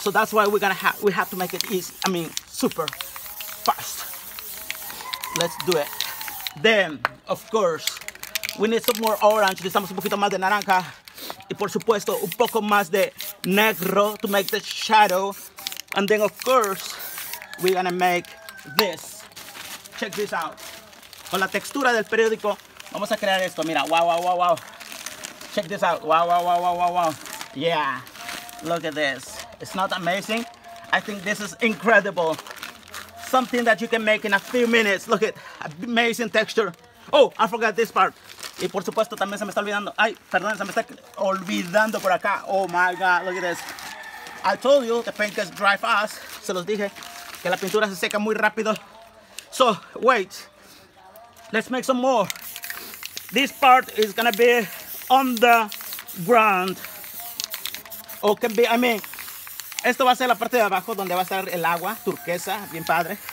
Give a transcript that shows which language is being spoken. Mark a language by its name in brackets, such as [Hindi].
[English] So that's why we're gonna have, we have to make it easy. I mean, super fast. Let's do it. Then, of course, we need some more orange. [Spanish] Necesitamos un poquito más de naranja. Y por supuesto, un poco más de negro [English] to make the shadow. And then, of course, we're gonna make this. Check this out. [Spanish] Con la textura del periódico, vamos a crear esto. [English] Mira, wow, wow, wow, wow. Check this out. Wow, wow, wow, wow, wow, wow. Yeah, look at this. It's not amazing. I think this is incredible. Something that you can make in a few minutes. Look at amazing texture. Oh, I forgot this part. [Spanish] Y por supuesto también se me está olvidando. Ay, perdón, se me está olvidando por acá. [English] Oh my God, look at this. I told you the paint gets dry fast. [Spanish] Se los dije que la pintura se seca muy rápido. [English] So, wait. Let's make some more. This part is gonna be on the ground. Or can be, I mean, [Spanish] esto va a ser la parte de abajo donde va a estar el agua turquesa, bien padre.